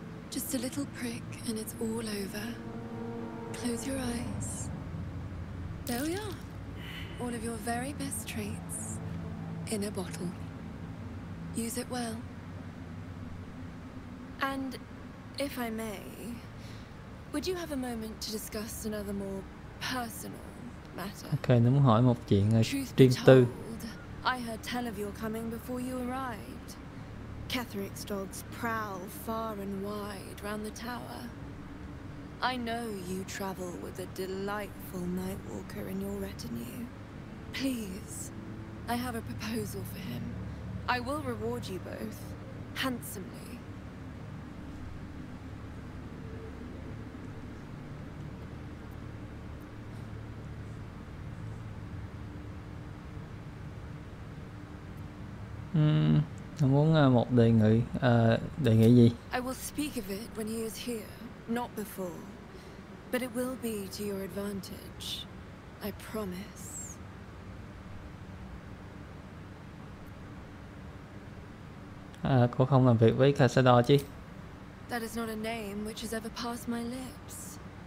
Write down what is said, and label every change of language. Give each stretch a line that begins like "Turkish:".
English: Just a little prick and it's all over. Close your eyes. There we are. All of your very best traits in a bottle. Use it well. And if I may, would you have a moment to discuss another more personal matter?
Vietnamese: Okay, nó muốn hỏi một chuyện riêng tư.
English: I heard tell of your coming before you arrived. Catherick's dogs prowl far and wide round the tower. I know you travel with a delightful nightwalker in your retinue. Please, I have a proposal for him. I will reward you both handsomely.
Vietnamese: Anh muốn một đề nghị, đề nghị gì?
English: I will speak of it when he is here, not before. But it will be to your advantage. I promise.
Vietnamese: À, cô không làm việc với Casador chứ?
English: That is not a name which has ever passed my lips.